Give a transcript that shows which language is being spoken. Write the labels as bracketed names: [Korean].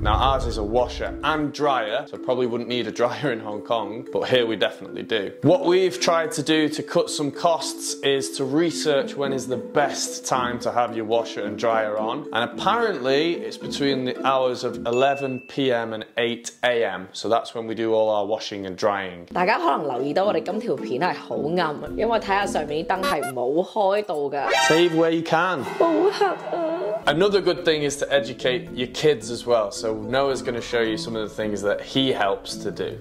[English] Now ours is a washer and dryer, so probably wouldn't need a dryer in Hong Kong, but here we definitely do. What we've tried to do to cut some costs is to research when is the best time to have your washer and dryer on. And apparently it's between the hours of 11 p.m. and 8 a.m. So that's when we do all our washing and drying. [Cantonese] 大家可能留意到我哋今条片系好暗，因为睇下上面啲灯系冇开到噶。 [English] Save where you can. [Cantonese] 好黑啊！ [English] Another good thing is to educate your kids as well. So Noah's going to show you some of the things that he helps to do.